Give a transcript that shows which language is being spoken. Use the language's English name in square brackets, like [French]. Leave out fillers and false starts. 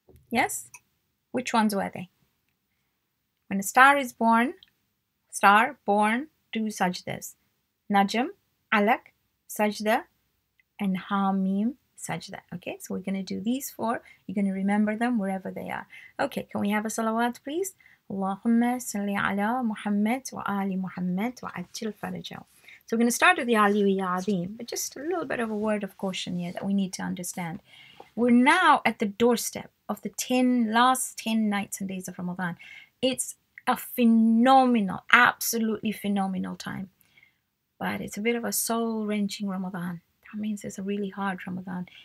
[English] Yes? Which ones were they? When a star is born, star, born, do sajdas. Najm, alak, sajda, and hamim, sajda. Okay, so we're going to do these four. You're going to remember them wherever they are. Okay, can we have a salawat, please? [Arabic] اللهم صل على محمد وآل محمد وعجل فرجه. [English] So we're going to start with the Aliyu Ya Azim, but just a little bit of a word of caution here that we need to understand. We're now at the doorstep of the last 10 nights and days of Ramadan. It's a phenomenal, absolutely phenomenal time. But it's a bit of a soul-wrenching Ramadan. That means it's a really hard Ramadan.